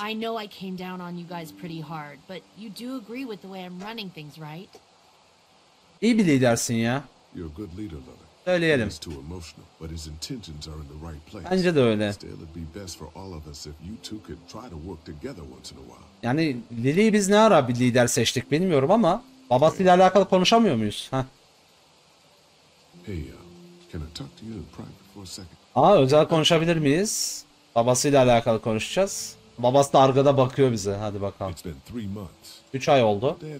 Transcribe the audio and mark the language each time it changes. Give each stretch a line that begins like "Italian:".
English: I know I came down on you guys pretty hard, but you do agree with the way I'm running things, right?
Turkish: İyi bir lidersin ya.
English: You're a good leader, Lily.
Turkish: Söyleyelim.
English: He's too emotional, but his intentions are in the right place.
Turkish: Bence de öyle.
English: Still, it'd be best for all of us if you two could try to work together once in a while.
Turkish: Yani Lily'yi biz ne ara bir lider seçtik bilmiyorum ama babasıyla alakalı konuşamıyor muyuz? Ha?
English: Hey, can I talk to you in private for a second?
Turkish: Aa, özel konuşabilir miyiz? Babasıyla alakalı konuşacağız. Babası da arkada bakıyor bize. Hadi bakalım. 3 ay oldu.